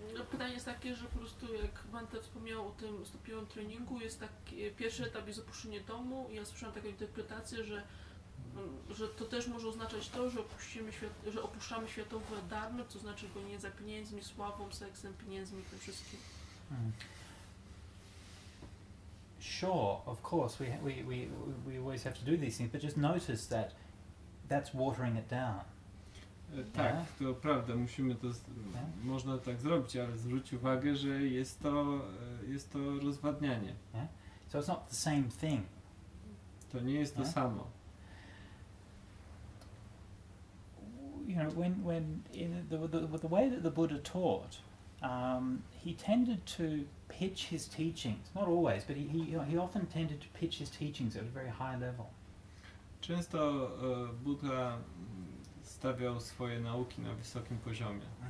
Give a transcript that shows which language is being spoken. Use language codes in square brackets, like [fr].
[pl] Pytanie jest takie, że po prostu jak Wante wspomniał o tym stopniowym treningu, jest taki pierwszy etap jest opuszczenie domu i ja słyszałam taką interpretację, że to też może oznaczać to, że opuścimy świat, że opuszczamy światowe darmy, co znaczy go nie za pieniędzmi, sławą, seksem, pieniędzmi i tym wszystkim. Hmm. [en] Sure, of course, we always have to do these things, but just notice that that's watering it down. [pl] Tak, to prawda, musimy to, można tak zrobić, ale zwróć uwagę, że jest to rozwadnianie. [en] So it's not the same thing. [pl] To nie jest to samo. [en] You know, when in the way that the Buddha taught, he tended to pitch his teachings, not always, but he often tended to pitch his teachings at a very high level. [pl] Często Buddha stawiał swoje nauki na wysokim poziomie.